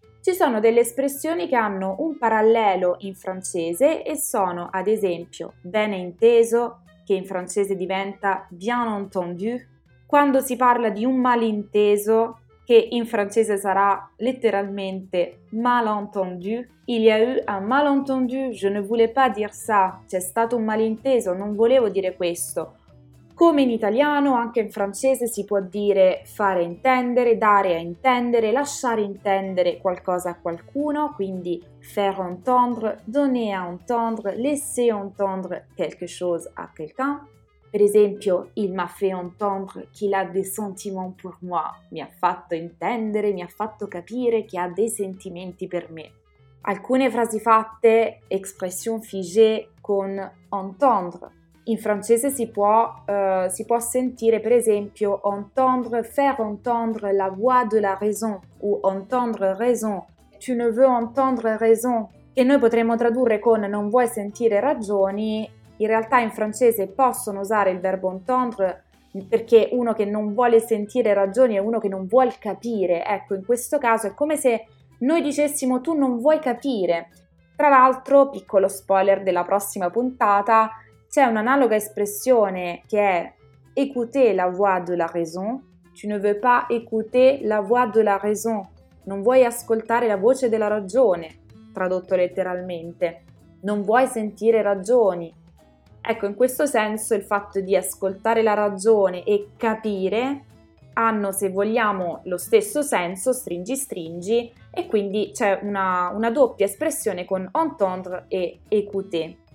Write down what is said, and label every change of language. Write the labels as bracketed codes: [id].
[it] Ci sono delle espressioni che hanno un parallelo in francese e sono ad esempio bene inteso, che in francese diventa [fr] bien entendu, [it] quando si parla di un malinteso, che in francese sarà letteralmente malentendu. [fr] Il y a eu un malentendu, je ne voulais pas dire ça. [it] C'è stato un malinteso, non volevo dire questo. Come in italiano, anche in francese si può dire fare intendere, dare a intendere, lasciare intendere qualcosa a qualcuno, quindi [fr] faire entendre, donner à entendre, laisser entendre quelque chose à quelqu'un. [it] Per esempio, [fr] il m'a fait entendre qu'il a des sentiments pour moi. [it] Mi ha fatto intendere, mi ha fatto capire che ha dei sentimenti per me. Alcune frasi fatte, [fr] expression figée [it] con entendre. In francese si può sentire, per esempio, entendre, [fr] faire entendre la voix de la raison [it] o [fr] entendre raison. Tu ne veux entendre raison. [it] E noi potremmo tradurre con non vuoi sentire ragioni. In realtà in francese possono usare il verbo entendre perché uno che non vuole sentire ragioni è uno che non vuol capire. Ecco, in questo caso è come se noi dicessimo tu non vuoi capire. Tra l'altro, piccolo spoiler della prossima puntata, c'è un'analoga espressione che è [fr] écouter la voix de la raison. Tu ne veux pas écouter la voix de la raison. [it] Non vuoi ascoltare la voce della ragione, tradotto letteralmente. Non vuoi sentire ragioni. Ecco, in questo senso il fatto di ascoltare la ragione e capire hanno, se vogliamo, lo stesso senso, stringi stringi, e quindi c'è una doppia espressione con entendre e écouter.